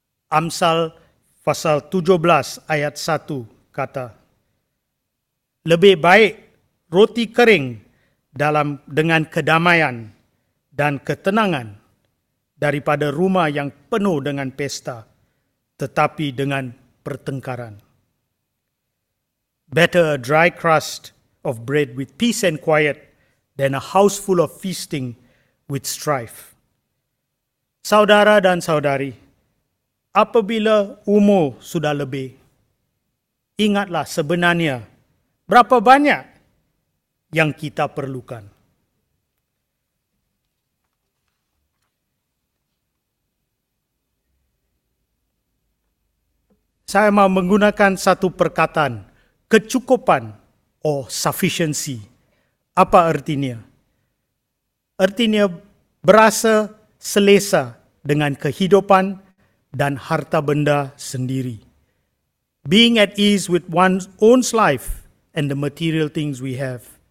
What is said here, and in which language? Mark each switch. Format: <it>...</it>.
<ms>Amsal pasal 17 ayat 1 kata, lebih baik roti kering dalam dengan kedamaian dan ketenangan daripada rumah yang penuh dengan pesta tetapi dengan pertengkaran.</ms> <en>Better a dry crust of bread with peace and quiet than a house full of feasting with strife.</en> <ms>Saudara dan saudari, apabila umur sudah lebih, ingatlah sebenarnya berapa banyak yang kita perlukan. Saya mau menggunakan satu perkataan, kecukupan or sufficiency. Apa artinya? Artinya berasa selesa dengan kehidupan dan harta benda sendiri.</ms> <en>Being at ease with one's own life and the material things we have.</en>